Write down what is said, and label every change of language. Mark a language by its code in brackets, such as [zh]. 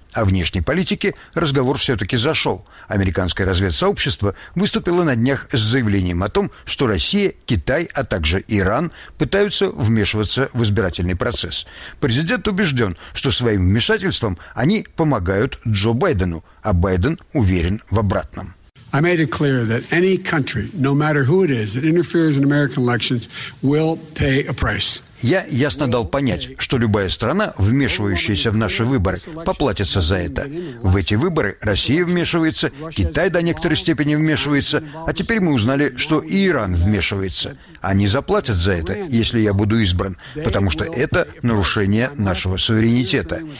[ru] О внешней политике разговор все-таки зашел. Американское разведсообщество выступило на днях с заявлением о том, что Россия, Китай, а также Иран пытаются вмешиваться в избирательный процесс. Президент убежден, что своим вмешательством они помогают Джо Байдену, а Байден уверен в обратном. [en] I made it clear that any country, no matter who it is, that interferes in American elections, will pay a price. [ru] Я ясно дал понять, что любая страна, вмешивающаяся в наши выборы, поплатится за это. В эти выборы Россия вмешивается, Китай до некоторой степени вмешивается, а теперь мы узнали, что и Иран вмешивается. Они заплатят за это, если я буду избран, потому что это нарушение нашего суверенитета.